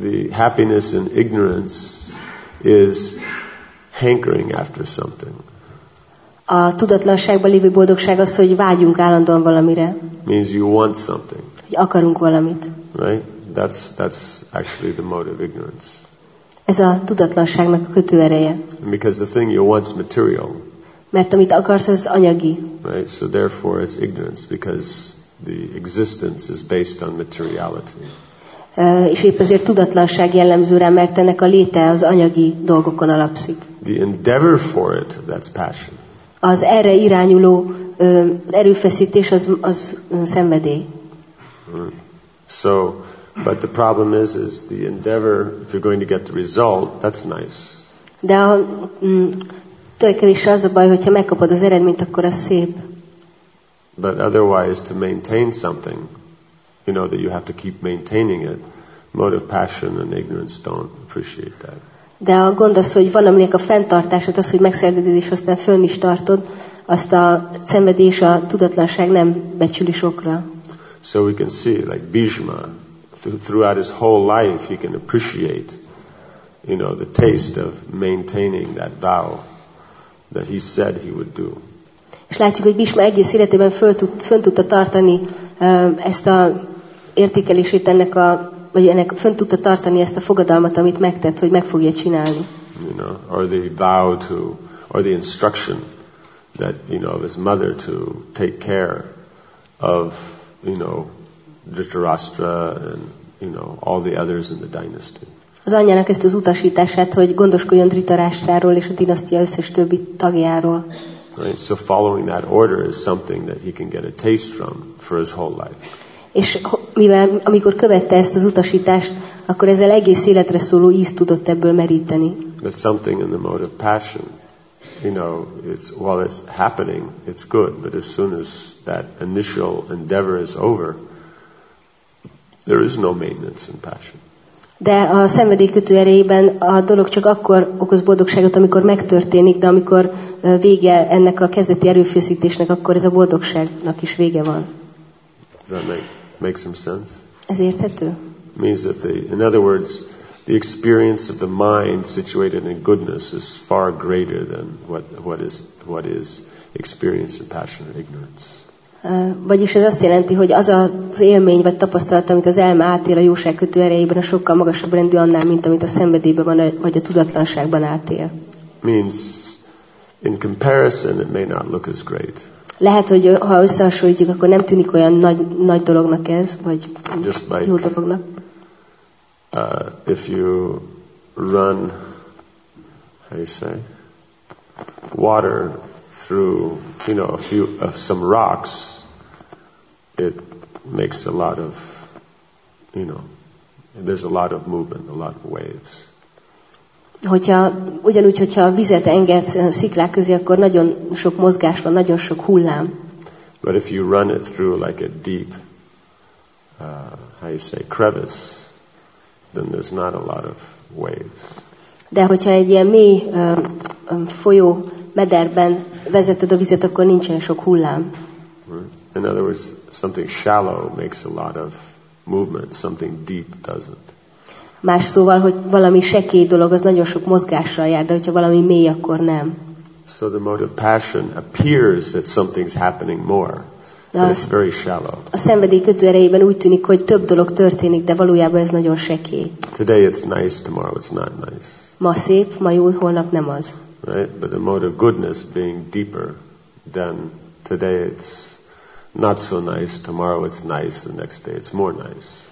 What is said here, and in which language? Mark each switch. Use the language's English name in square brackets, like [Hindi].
[English] The happiness in ignorance is hankering after something. [Hungarian] A tudatlanságban lévő boldogság az, hogy vágyunk állandóan valamire. [English] Means you want something. [Hungarian] Hogy akarunk valamit. [English] Right? That's actually the mode of ignorance. [Hungarian] Ez a tudatlanságnak a kötőereje. [English] Because the thing you want is material. [Hungarian] Mert amit akarsz, az anyagi. [English] Right? So therefore it's ignorance because the existence is based on materiality. [Hungarian] És épp ezért tudatlanság jellemző rá, mert ennek a léte az anyagi dolgokon alapszik. [English] The endeavor for it, that's passion. [Hungarian] Az erre irányuló erőfeszítés az szenvedély. [English] So, but the problem is the endeavor, if you're going to get the result, that's nice. [Hungarian] De a tökéletes az a baj, hogyha megkapod az eredményt, akkor az szép. [English] But otherwise, to maintain something, you know that you have to keep maintaining it. Mode of passion and ignorance don't appreciate that. [Hungarian] De a gond az, hogy van aminek a fenntartását, az, hogy megszerzed és aztán föl is tartod, azt a szenvedés, a tudatlanság nem becsüli sokra. [English] So we can see, like Bhishma, throughout his whole life, he can appreciate, you know, the taste of maintaining that vow that he said he would do. [Hungarian] És látjuk, hogy Bhishma egész életében fönn tudta tartani ezt a értékelését ennek a, vagy ennek fönn tudta tartani ezt a fogadalmat, amit megtett, hogy meg fogja csinálni. [English] You know, or the vow to, or the instruction that, you know, of his mother to take care of, you know, Dhritarashtra and, you know, all the others in the dynasty. [Hungarian] Az anyjának ezt az utasítását, hogy gondoskodjon Dhritarashtráról és a dinasztia összes többi tagjáról. [English] Right, so following that order is something that he can get a taste from for his whole life. [Hungarian] És mivel amikor követte ezt az utasítást, akkor ezzel egész életre szóló ízt tudott ebből meríteni. [English] But something in the mode of passion, you know, it's while it's happening, it's good, but as soon as that initial endeavor is over, there is no maintenance in passion. [Hungarian] De a szenvedély kötő erejében a dolog csak akkor okoz boldogságot, amikor megtörténik, de amikor vége ennek a kezdeti erőfeszítésnek, akkor ez a boldogságnak is vége van. [English] Does that make some sense? [Hungarian] Ez érthető? [English] Means that in other words, the experience of the mind situated in goodness is far greater than what is experienced in passion or ignorance. [Hungarian] Vagyis ez azt jelenti, hogy az az élmény vagy tapasztalat, amit az elme átél a jóság kötő erejében, a sokkal magasabb rendű annál, mint amit a szenvedélyben van, vagy a tudatlanságban átél. [English] Means in comparison it may not look as great. [Hungarian] Lehet, hogy ha összehasonlítjuk, akkor nem tűnik olyan nagy dolognak ez, vagy [English] just like, [Hungarian] jó dolognak. [English] If you run, how you say, water through, you know, some rocks, it makes a lot of, you know, there's a lot of movement, a lot of waves. [Hungarian] Hogyha ugyanúgy, hogyha vizet engedsz sziklák közé, akkor nagyon sok mozgás van, nagyon sok hullám. [English] But if you run it through like a deep, how you say, crevice, then there's not a lot of waves. [Hungarian] De hogyha egy ilyen mély folyó mederben vezeted a vizet, akkor nincsen sok hullám. [English] In other words, something shallow makes a lot of movement, something deep doesn't. [Hungarian] Más szóval, hogy valami sekély dolog, az nagyon sok mozgással jár, de hogyha valami mély, akkor nem. [English] So the mode of passion appears that something's happening more. But it's very shallow. [Hungarian] A szenvedély kötőerejében úgy tűnik, hogy több dolog történik, de valójában ez nagyon sekély. [English] Today it's nice, tomorrow it's not nice. [Hungarian] Ma szép, ma jó, holnap nem az. [English] Right? But the mode of goodness being deeper than today it's not so nice, tomorrow it's nice, the next day it's more nice.